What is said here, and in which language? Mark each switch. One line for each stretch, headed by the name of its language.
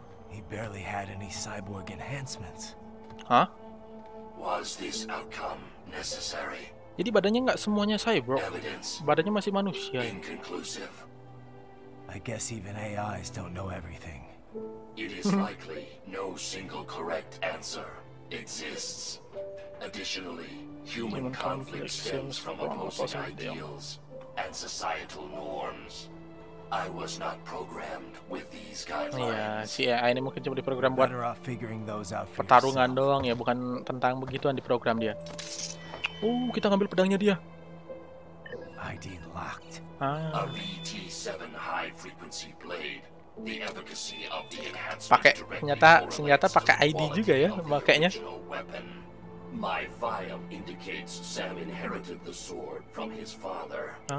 English: He barely had any cyborg enhancements. Hah? Was this outcome necessary?
Indonesian: Jadi badannya enggak semuanya cyborg. Badannya masih manusia.
English: Inconclusive. I guess even AIs don't know everything. It is likely no single correct answer exists. Additionally, human conflict stems from opposing ideals and societal norms. I was not programmed with these guidelines.
Indonesian: Ya, si AI ini mungkin cuma diprogram buat pertarungan doang ya, bukan tentang begituan diprogram dia. Kita ngambil pedangnya dia.
English: ID locked. A VT7 high frequency blade. The efficacy of the enhancement.
Indonesian: Pakai ternyata senjata pakai ID juga ya makainya.
English: My file indicates Sam inherited the sword from his father.